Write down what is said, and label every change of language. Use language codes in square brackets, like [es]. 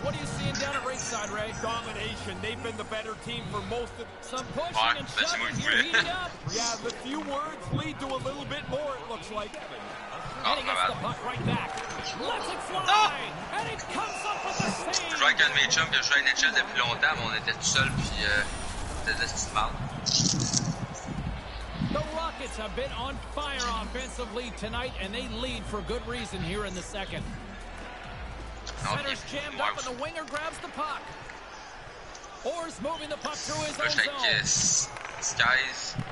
[en] What are you seeing down at ringside, Ray? Domination. They've been the better team for most of some pushing Fuck, and shoving here. Heating up. Yeah, the few words lead to a little bit more, it looks like. Oh, and he gets the puck right back. Let's it fly! No! And it comes up with a save! [fr] Je crois qu'un de mes chums qui a joué à NHL depuis longtemps, mais on était tout seul, puis c'était de la petite marde. [en] The Rockets have been on fire offensively tonight, and they lead for good reason here in the second. Center's jammed up and the winger grabs the puck. Orr's moving the puck through his own zone. Skies.